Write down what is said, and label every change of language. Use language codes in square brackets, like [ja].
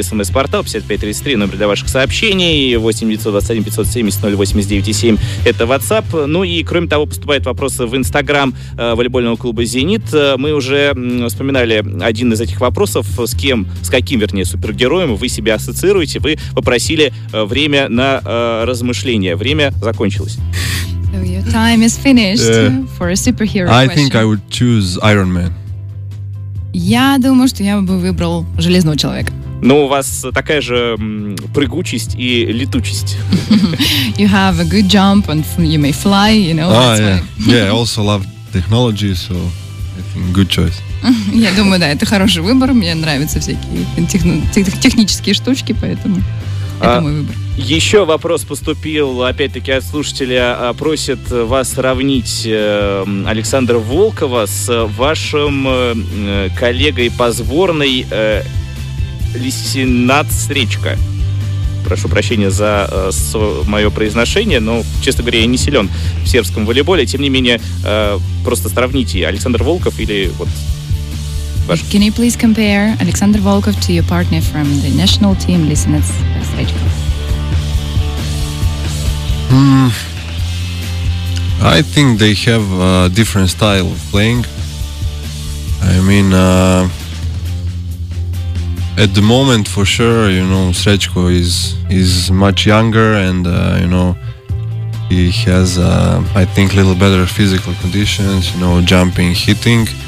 [ru] СМС-портал 5533, номер для ваших сообщений, 8-921-570-089-7, это WhatsApp. Ну и, кроме того, поступают вопросы в Instagram волейбольного клуба «Зенит». Мы уже вспоминали один из этих вопросов, с каким супергероем вы себя ассоциируете. Вы попросили время на размышления. Время закончилось. [en] So your time is finished for a superhero question. I think I would choose Iron Man. [ru] Я думаю, что я бы выбрал Железного Человека. Но у вас такая же прыгучесть и летучесть. [en] You have a good jump and you may fly, you know. Yeah, I also love technology, so I think good choice. [ru] Я думаю, да, это хороший выбор. Мне нравятся всякие технические штучки, поэтому это мой выбор. Еще вопрос поступил, опять-таки, от слушателя. Просит вас сравнить Александра Волкова с вашим коллегой по сборной Лисинат Стречка. Прошу прощения за мое произношение, но, честно говоря, я не силен в сербском волейболе. Тем не менее, просто сравните Александр Волков или вот... Ваш... [en] Can you please compare Александр Волков to your partner from the national team, Лисинат Стречка? I think they have a different style of playing. I mean, at the moment, for sure, you know, Srećko is much younger and, you know, he has, I think, a little better physical conditions, you know, jumping, hitting.